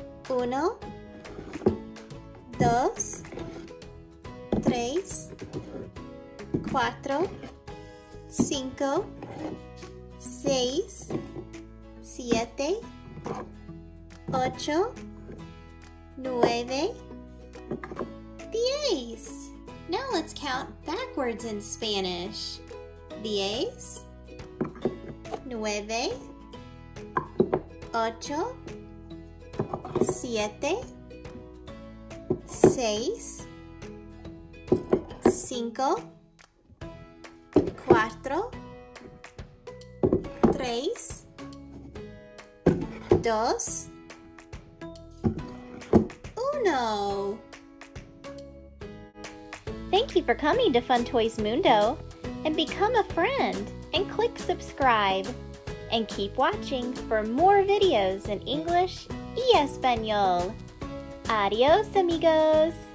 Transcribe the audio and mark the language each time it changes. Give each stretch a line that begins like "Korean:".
Spanish: Uno, dos, tres, cuatro, cinco, seis, siete, ocho, nueve, diez.
English: Now let's count backwards in Spanish.
Spanish: Diez, nueve, ocho, siete, seis, cinco, cuatro, tres, dos, uno.
English: Thank you for coming to Fun Toys Mundo, and become a friend and click subscribe and keep watching for more videos in English
Spanish: y Español. Adios, amigos.